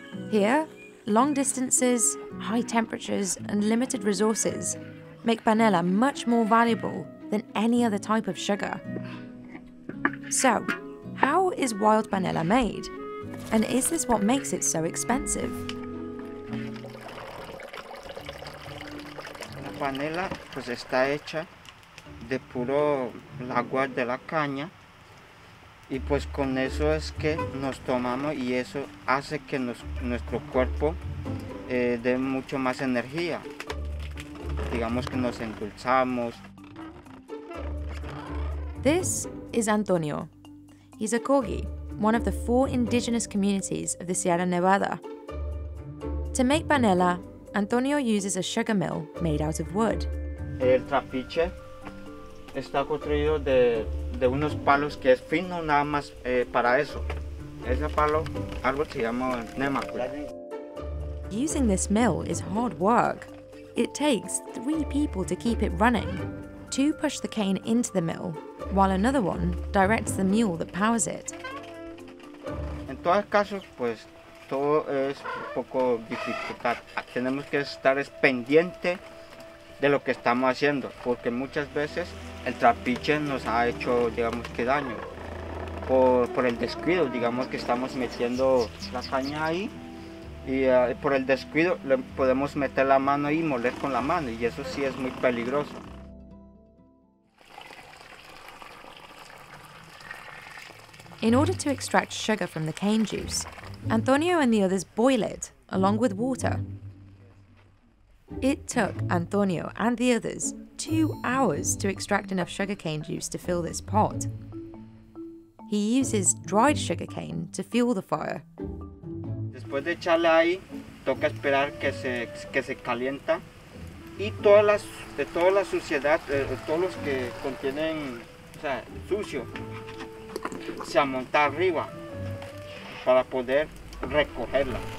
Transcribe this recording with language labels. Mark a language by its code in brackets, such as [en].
[en] Here, long distances, high temperatures, and limited resources make panela much more valuable than any other type of sugar. So, how is wild panela made? And is this what makes it so expensive? [es] La panela pues está hecha de puro agua de la caña. Y pues con eso es que nos tomamos y eso hace que nuestro cuerpo dé mucho más energía. Digamos que nos endulzamos. [en] This is Antonio. He's a Corgi, one of the four indigenous communities of the Sierra Nevada. To make panela, Antonio uses a sugar mill made out of wood. [es] El trapiche está construido de unos palos que es fino nada más para eso. Ese palo, algo se llama nemacul. [en] Using this mill is hard work. It takes three people to keep it running. Two push the cane into the mill, while another one directs the mule that powers it. [es] En todos casos, pues todo es un poco dificultad. Tenemos que estar pendiente de lo que estamos haciendo, porque muchas veces el trapiche nos ha hecho, digamos que daño, por el descuido, digamos que estamos metiendo la caña ahí, y por el descuido le podemos meter la mano y moler con la mano, y eso sí es muy peligroso. [en] In order to extract sugar from the cane juice, Antonio and the others boil it, along with water. It took Antonio and the others 2 hours to extract enough sugarcane juice to fill this pot. He uses dried sugarcane to fuel the fire. [es] Después de echarle ahí, toca esperar que se calienta y toda la suciedad, todos los que contienen, o sea, sucio, se amonta arriba para poder recogerla.